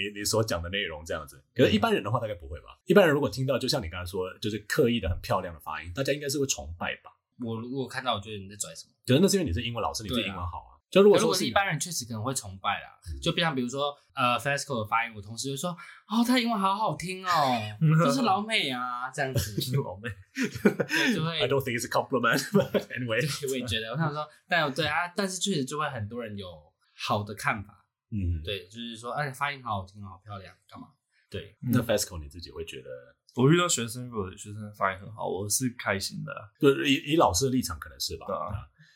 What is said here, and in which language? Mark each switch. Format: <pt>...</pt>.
<zh>你所讲的内容这样子，可是一般人的话大概不会吧？嗯、一般人如果听到就像你刚才说，就是刻意的很漂亮的发音，大家应该是会崇拜吧？我如果看到，我觉得你在拽什么？可是那是因为你是英文老师，你是英文好啊。就如果说是一般人，确实可能会崇拜啦。嗯、就像比如说，FESCO 的发音，我同事就说：“哦，他英文好好听哦，就是老美啊，这样子。” 就是老美，就会。</zh> <en>I don't think it's a compliment, but anyway，</en> <zh>我也觉得，我想说，但对啊，但是确实就会很多人有好的看法。嗯，对，就是说，哎，发音好好听，好漂亮，干嘛？对，嗯、那 FESCO 你自己会觉得？我遇到学生，如果学生发音很好，我是开心的。对，以老师的立场可能是吧。对啊，</zh>